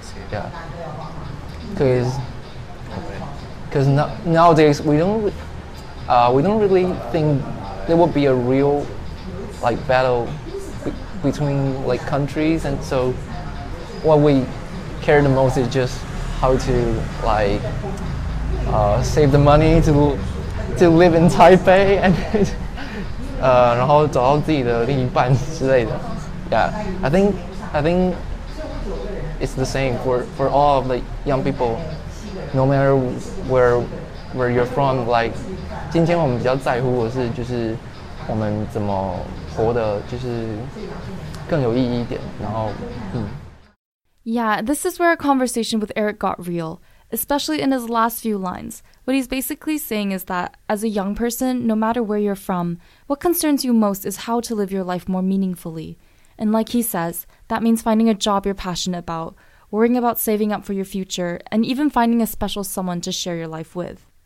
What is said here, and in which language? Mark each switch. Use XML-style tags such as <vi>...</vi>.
<en>Yeah, because nowadays we don't really think there will be a real like battle between like countries, and so what we care the most is just how to like save the money to live in Taipei and</en> <zh>然后找到自己的另一半之类的。</zh> <en>Yeah, I think it's the same for all of the young people, no matter where you're from.</en> <zh>Like, 今天我们比较在乎的是就是我们怎么活得就是更有意义一点，然后</zh> <en>Yeah, this is where our conversation with Eric got real, especially in his last few lines. What he's basically saying is that, as a young person, no matter where you're from, what concerns you most is how to live your life more meaningfully. And like he says, that means finding a job you're passionate about, worrying about saving up for your future, and even finding a special someone to share your life with.</en>